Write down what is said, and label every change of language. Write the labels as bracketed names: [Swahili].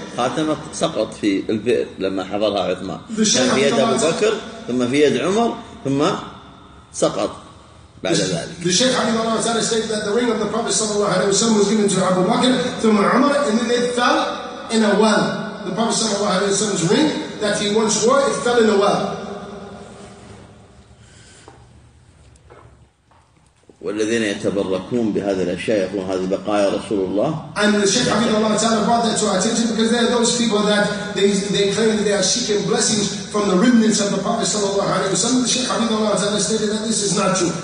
[Arabic] خاتمة سقط في البئر لما حضرها عثمان. كان في يد أبو بكر ثم في يد عمر ثم سقط بعد ذلك. [English] The Shaykh Habib Allah Ta'ala stated that the ring of the Prophet sallallahu alaihi wasallam was given to Abu Bakr [Arabic] ثم عمر [English] and then it fell in a well. The Prophet sallallahu alaihi wasallam's ring that he once wore, it fell in a well. [Arabic] والذين يتبركون بهذه الأشياء يقولون هذه بقايا رسول الله. [English] And the Shaykh Habib Allah Ta'ala brought that to our attention because there are those people that they claim that they are seeking blessings from the remnants of the Prophet sallallahu alaihi wasallam. The Shaykh Habib Allah Ta'ala stated that this is not true.